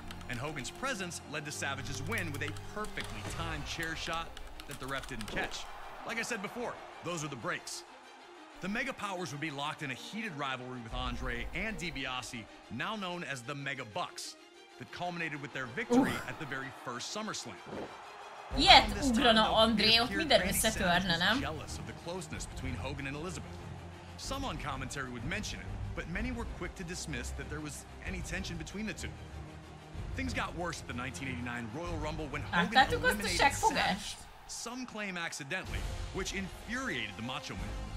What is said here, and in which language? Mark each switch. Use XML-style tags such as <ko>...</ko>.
<en>And Hogan's presence led to Savage's win with a perfectly timed chair shot that the ref didn't catch. Like I said before, those are the breaks. The Mega Powers would be locked in a heated rivalry with Andre and DiBiase, now known as the Mega Bucks, that culminated with their victory at the very first SummerSlam.</en> <hu>Ilyet ugrana André, ott minden összetörne, nem?</hu> <en>Jealous of the closeness between Hogan and Elizabeth. Some on commentary would mention it, but many were quick to dismiss that there was any tension between the two. Things got worse at the 1989 Royal Rumble when Hogan eliminated Savage, some claim accidentally, which infuriated the Macho Man.</en>